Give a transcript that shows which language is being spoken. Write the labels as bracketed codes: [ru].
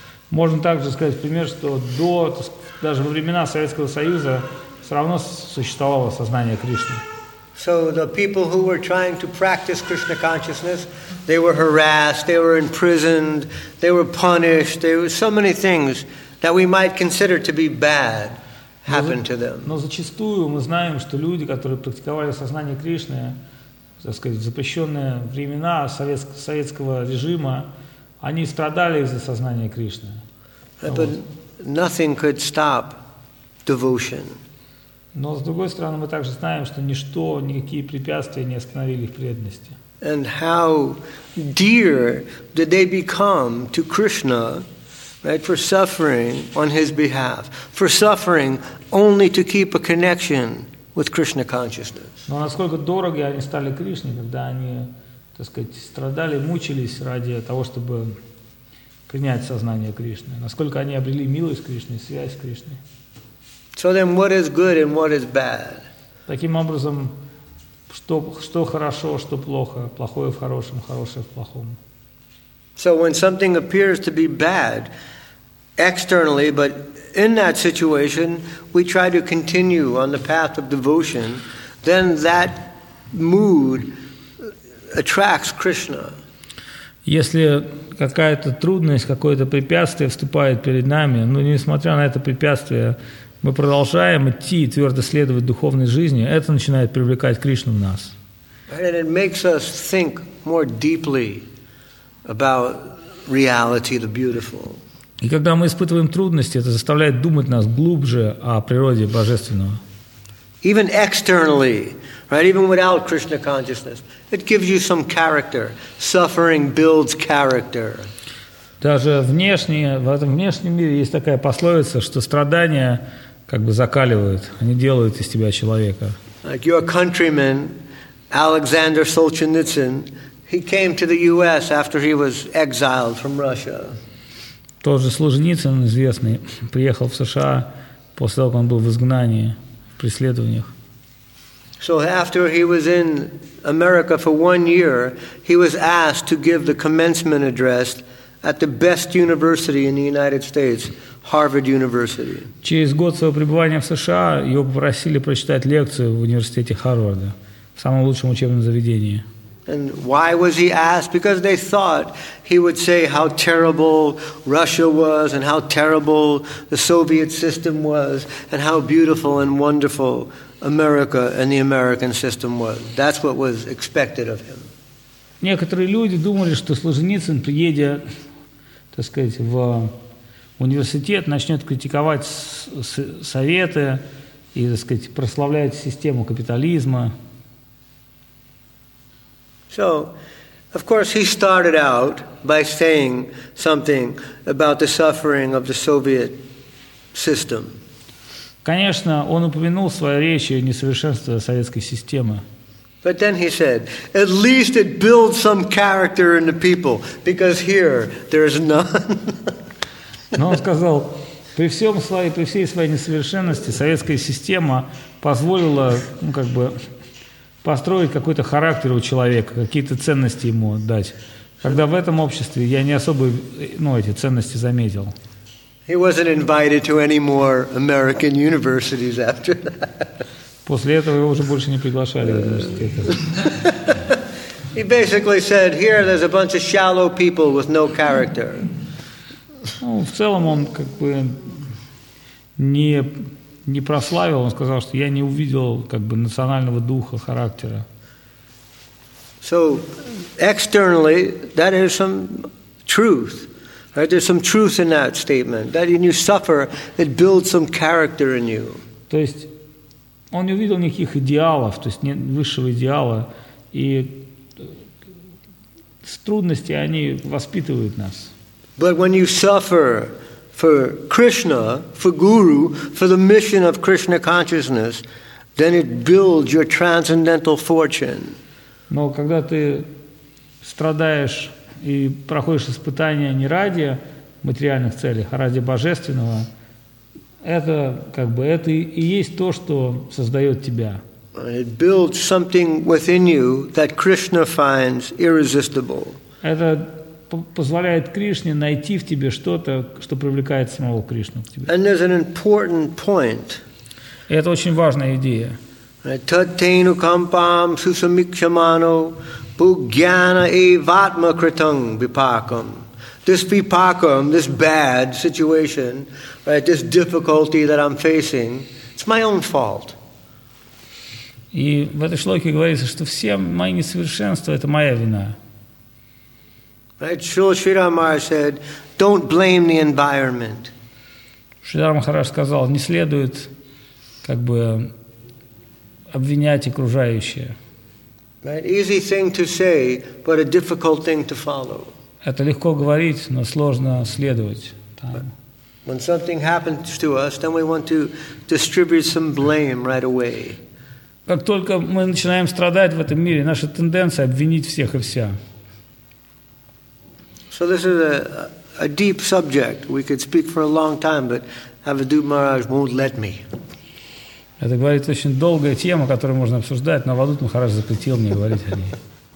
[ru] Можно также сказать пример, что до, даже во времена Советского Союза, все равно существовало сознание Кришны. [en] So the people who were trying to practice Krishna consciousness, they were harassed, they were imprisoned, they were punished. There were so many things that we might consider to be bad happened to them. [ru] Но зачастую мы знаем, что люди, которые практиковали сознание Кришны, так сказать, в запрещенные времена советского режима, они страдали из-за сознания Кришны. [en] But nothing could stop devotion. [ru] Но, с другой стороны, мы также знаем, что ничто, никакие препятствия не остановили их преданности. [en] And how dear did they become to Krishna, right, for suffering on his behalf, for suffering only to keep a connection with Krishna consciousness. [ru] Но насколько дороги они стали Кришне, когда они, так сказать, страдали, мучились ради того, чтобы принять сознание Кришны. Насколько они обрели милость к Кришне, связь с Кришной. [en] So then what is good and what is bad? [ru] Таким образом, что хорошо, что плохо, плохое в хорошем, хорошее в плохом. [en] So when something appears to be bad externally, but in that situation, we try to continue on the path of devotion, then that mood attracts Krishna. [ru] Если какая-то трудность, какое-то препятствие вступает перед нами, но несмотря на это препятствие, мы продолжаем идти и твердо следовать духовной жизни, это начинает привлекать Кришну в нас. [en] And it makes us think more deeply about reality, the beautiful. [ru] И когда мы испытываем трудности, это заставляет думать нас глубже о природе божественного. [en] Even externally, right, even without Krishna consciousness, it gives you some character. Suffering builds character. [ru] Даже внешне, в этом внешнем мире есть такая пословица, что страдания как бы закаливают, они делают из тебя человека. [en] Like your countrymen Alexander Solzhenitsyn, he came to the U.S. after he was exiled from Russia. [ru] Тоже Солженицын известный приехал в США после того, как он был в изгнании, в преследованиях. [en] So after he was in America for 1 year, he was asked to give the commencement address at the best university in the United States, Harvard University. [ru] Через год своего пребывания в США его попросили прочитать лекцию в университете Харварда, в самом лучшем учебном заведении. [en] And why was he asked? Because they thought he would say how terrible Russia was and how terrible the Soviet system was and how beautiful and wonderful America and the American system was. That's what was expected of him. [ru] Некоторые люди думали, что Солженицын, приедя, так сказать, в университет, начнет критиковать советы и, так сказать, прославлять систему капитализма. [en] So, of course, he started out by saying something about the suffering of the Soviet system. [ru] Конечно, он упомянул в своей речи несовершенство советской системы. [en] But then he said, at least it builds some character in the people, because here there is none. [ru] Но он сказал, при всей своей несовершенности советская система позволила, ну, как бы, построить какой-то характер у человека, какие-то ценности ему дать. Когда в этом обществе я не особо, ну, эти ценности заметил. [en] He wasn't invited to any more American universities after that. [ru] После этого его уже больше не приглашали в университеты. [en] He basically said, here there's a bunch of shallow people with no character. [ru] Ну, в целом он как бы не прославил, он сказал, что я не увидел как бы национального духа, характера. [en] So, externally, that is some truth. Right? There's some truth in that statement. That when you suffer, it builds some character in you. [ru] То есть, он не увидел никаких идеалов, то есть, высшего идеала, и трудности, они воспитывают нас. [en] But when you suffer for Krishna, for Guru, for the mission of Krishna consciousness, then it builds your transcendental fortune. [ru] Но когда ты страдаешь и проходишь испытания не ради материальных целей, а ради божественного, это как бы это и есть то, что создает тебя. [en] It builds something within you that Krishna finds irresistible. [ru] Это позволяет Кришне найти в тебе что-то, что привлекает самого Кришну к тебе. [en] And there's an important point. [ru] Это очень важная идея. [sa] Таттейну кампам сусамикшаману бхугьяна эйватма критам випакам. [en] This випакам, this bad situation, right, this difficulty that I'm facing, it's my own fault. [ru] И в этой шлоке говорится, что все мои несовершенства – это моя вина. [en] Right, Srila Sridhar Maharaj said, "Don't blame the environment." [ru] Sridhar Maharaj сказал, не следует как бы обвинять окружающее. [en] Right, easy thing to say, but a difficult thing to follow. [ru] Это легко говорить, но сложно следовать. [en] When something happens to us, then we want to distribute some blame right away. [ru] Как только мы начинаем страдать в этом мире, наша тенденция обвинить всех и вся. [en] So this is a deep subject. We could speak for a long time, but Avadhut Maharaj won't let me. [ru] Это говорит очень долгая тема, которую можно обсуждать, но Авадут Махарадж запретил мне говорить о ней.